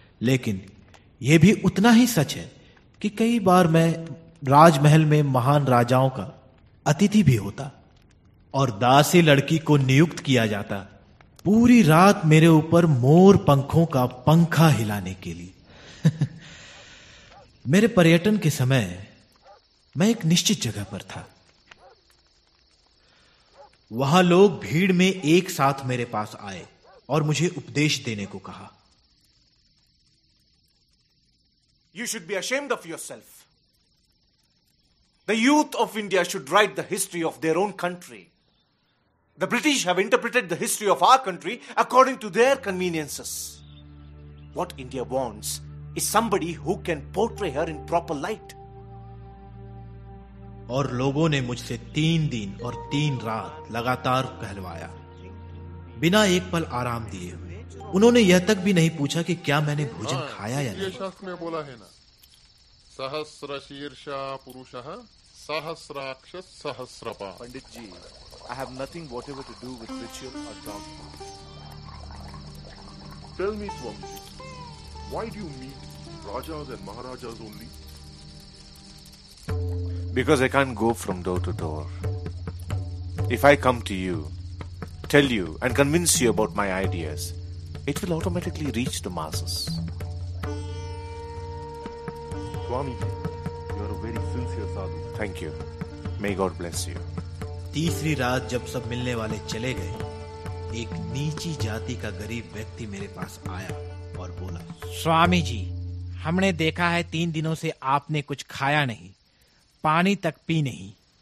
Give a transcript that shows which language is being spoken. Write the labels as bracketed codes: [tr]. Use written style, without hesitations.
[hi] लेकिन यह भी उतना ही सच है कि कई बार मैं राजमहल में महान राजाओं का अतिथि भी होता और दासी लड़की को नियुक्त किया जाता पूरी रात मेरे ऊपर मोर पंखों का पंखा हिलाने के लिए। मेरे पर्यटन के समय मैं एक निश्चित जगह पर था, वहां लोग भीड़ में एक साथ मेरे पास आए और मुझे उपदेश देने को कहा। [en] You should be ashamed of yourself. The youth of India should write the history of their own country. The British have interpreted the history of our country according to their conveniences. What India wants is somebody who can portray her in proper light. [hi] और लोगों ने मुझसे 3 दिन और 3 रात लगातार कहलवाया, बिना एक पल आराम दिए हुए। उन्होंने यह तक भी नहीं पूछा कि क्या मैंने भोजन खाया या नहीं। ये शास्त्र में बोला है ना, [sa] सहस्र शीर्षा पुरुषः सहस्राक्ष सहस्रपा। [en] Pandit ji, I have nothing whatever to do with ritual और dogma. Tell me Swami, why do you meet rajas and maharajas only? Because I can't go from door to door. If I come to you, tell you and convince you about my ideas, it will automatically reach the masses. Swami, you are a very sincere sadhu. Thank you. May God bless you. [hi] तीसरी रात जब सब मिलने वाले चले गए, एक नीची जाति का गरीब व्यक्ति मेरे पास आया और बोला, स्वामी जी, हमने देखा है 3 दिनों से आपने कुछ खाया नहीं, पानी तक पी नहीं।